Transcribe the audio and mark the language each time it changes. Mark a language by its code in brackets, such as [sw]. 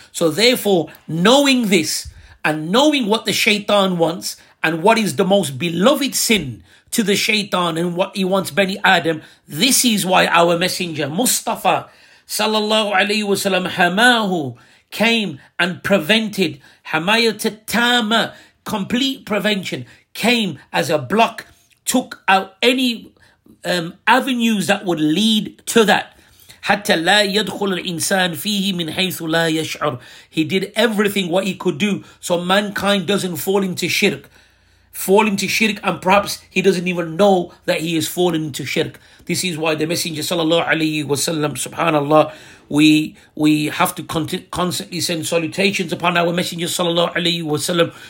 [en] So therefore, knowing this, and knowing what the shaitan wants, and what is the most beloved sin to the shaitan, and what he wants Bani Adam, this is why our messenger Mustafa sallallahu alayhi wa sallam, hamahu, came and prevented, hamayata tama, complete prevention, came as a block, took out any avenues that would lead to that. [ar] حتى لا يدخل الإنسان فيه من حيث لا يشعر. [en] He did everything what he could do so mankind doesn't fall into shirk. Fall into shirk, and perhaps he doesn't even know that he is falling into shirk. This is why the Messenger sallallahu alayhi wa sallam, subhanAllah, we have to constantly send salutations upon our Messenger sallallahu alayhi wa sallam.